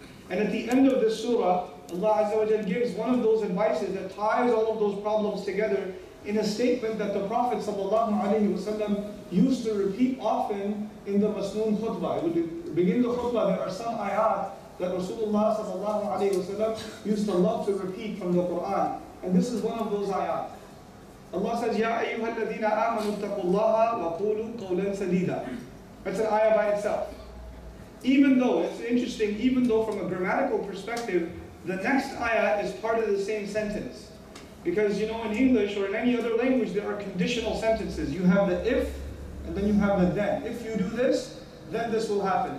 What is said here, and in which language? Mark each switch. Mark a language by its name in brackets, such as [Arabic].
[English] And at the end of this surah, Allah Azza wa Jalla gives one of those advices that ties all of those problems together in a statement that the Prophet sallallahu alaihi wasallam used to repeat often in the Masnoon khutbah. It would begin the khutbah, there are some ayat that Rasulullah sallallahu alaihi wasallam used to love to repeat from the Quran. And this is one of those ayat. [Arabic] Allah says, يَا أَيُّهَا الَّذِينَ آمَنُوا اتَّقُوا اللَّهَ وَقُولُوا قَوْلًا سَدِيدًا. [English] That's an ayah by itself. Even though, it's interesting, even though from a grammatical perspective, the next ayah is part of the same sentence. Because, you know, in English or in any other language, there are conditional sentences. You have the if, and then you have the then. If you do this, then this will happen.